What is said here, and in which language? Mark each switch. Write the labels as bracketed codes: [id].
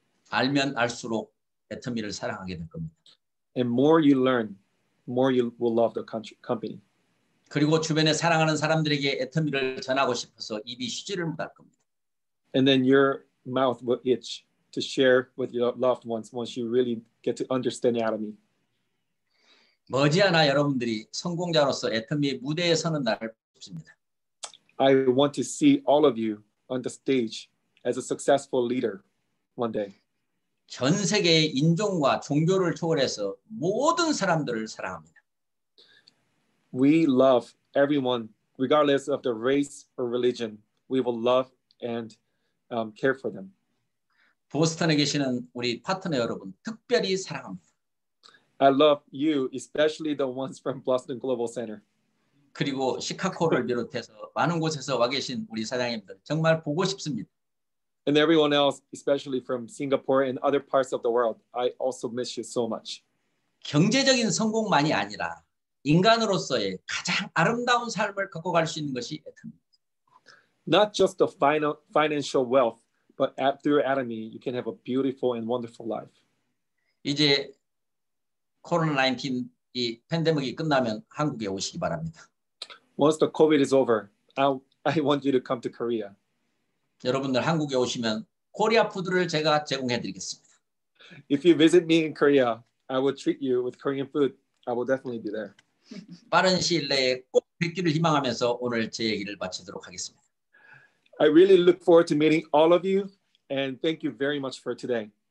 [ko] 알면 알수록 애터미를 사랑하게 될 겁니다. [en] And more you learn, more you will love the company. [ko] 그리고 주변에 사랑하는 사람들에게 애터미를 전하고 싶어서 입이 쉬지를 못할 겁니다. [en] And then your mouth will itch to share with your loved ones once you really get to understand Atomy. [ko] 머지않아 여러분들이 성공자로서 애터미의 무대에 서는 날을 봅니다. [en] I want to see all of you on the stage as a successful leader one day. [ko] 전 세계의 인종과 종교를 초월해서 모든 사람들을 사랑합니다. [en] We love everyone regardless of the race or religion. We will love and care for them. [ko] 보스턴에 계시는 우리 파트너 여러분 특별히 사랑합니다. [en] I love you, especially the ones from Boston Global Center. [ko] 그리고 시카고를 비롯해서 많은 곳에서 와 계신 우리 사장님들 정말 보고 싶습니다. [en] And everyone else, especially from Singapore and other parts of the world, I also miss you so much. [ko] 경제적인 성공만이 아니라 인간으로서의 가장 아름다운 삶을 갖고 갈 수 있는 것이 애터미입니다. [en] Not just the financial wealth, but through Atomy, you can have a beautiful and wonderful life. [ko] 이제 코로나19 이 팬데믹이 끝나면 한국에 오시기 바랍니다. [en] Once the COVID is over, I want you to come to Korea. [ko] 여러분들 한국에 오시면 코리아 푸드를 제가 제공해 드리겠습니다. [en] If you visit me in Korea, I will treat you with Korean food. I will definitely be there. [ko] 빠른 시일 내에 꼭 뵙기를 희망하면서 오늘 제 얘기를 마치도록 하겠습니다. [en] I really look forward to meeting all of you and thank you very much for today.